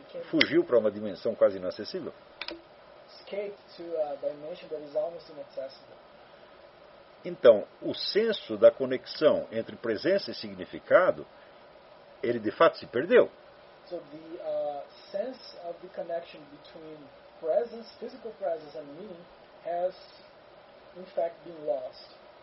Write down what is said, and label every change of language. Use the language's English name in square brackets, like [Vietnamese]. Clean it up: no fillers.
[Portuguese] fugiu para uma dimensão quase inacessível. [English] Escaped to a dimension that is almost inaccessible. [Portuguese] Então, o senso da conexão entre presença e significado, ele de fato se perdeu. [English] So the sense of the connection between presence, physical presence and meaning has in fact been lost.